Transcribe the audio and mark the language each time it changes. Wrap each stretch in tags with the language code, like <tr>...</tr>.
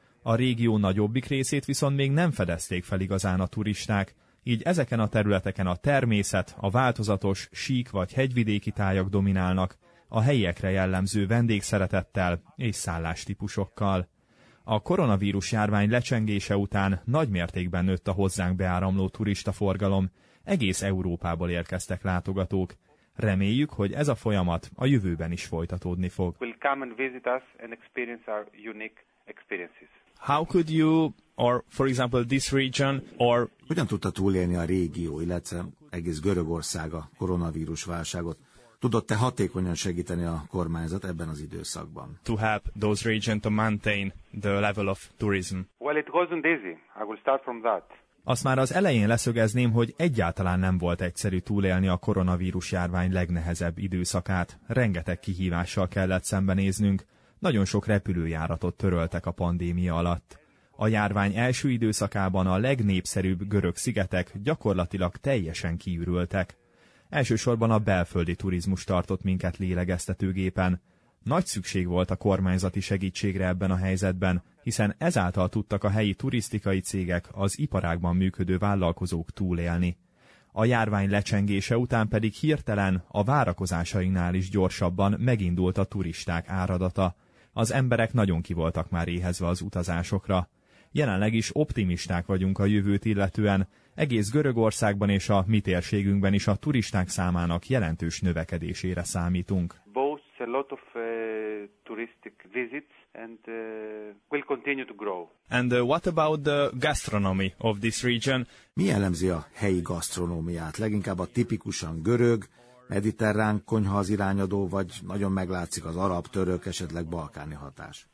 <hu>A régió nagyobbik részét viszont még nem fedezték fel igazán a turisták, így ezeken a területeken a természet, a változatos, sík vagy hegyvidéki tájak dominálnak, a helyiekre jellemző vendégszeretettel és szállástípusokkal. A koronavírus járvány lecsengése után nagy mértékben nőtt a hozzánk beáramló turistaforgalom, egész Európából érkeztek látogatók. Reméljük, hogy ez a folyamat a jövőben is folytatódni fog.</hu> <en>Will come and visit us and experience our unique experiences. How could you, or for example this region, or...</en> <hu>Hogyan tudta túlélni a régió, illetve egész Görögország a koronavírus válságot? Tudott-e hatékonyan segíteni a kormányzat ebben az időszakban?</hu> <en>To help those regions to maintain the level of tourism. Well, it wasn't easy. I will start from that.</en> <hu>Azt már az elején leszögezném, hogy egyáltalán nem volt egyszerű túlélni a koronavírus járvány legnehezebb időszakát. Rengeteg kihívással kellett szembenéznünk. Nagyon sok repülőjáratot töröltek a pandémia alatt. A járvány első időszakában a legnépszerűbb görög szigetek gyakorlatilag teljesen kiürültek. Elsősorban a belföldi turizmus tartott minket lélegeztetőgépen. Nagy szükség volt a kormányzati segítségre ebben a helyzetben, hiszen ezáltal tudtak a helyi turisztikai cégek, az iparágban működő vállalkozók túlélni. A járvány lecsengése után pedig hirtelen, a várakozásainknál is gyorsabban megindult a turisták áradata. Az emberek nagyon kivoltak már éhezve az utazásokra. Jelenleg is optimisták vagyunk a jövőt illetően, egész Görögországban és a mi térségünkben is a turisták számának jelentős növekedésére számítunk.</hu> <en>A lot of touristic visits and will continue to grow. And what about the gastronomy of this region?</en> <hu>Mi jellemzi a helyi gasztronómiát? Leginkább a tipikusan görög, mediterrán konyha az irányadó, vagy nagyon meglátszik az arab, török, esetleg balkáni hatás?</hu>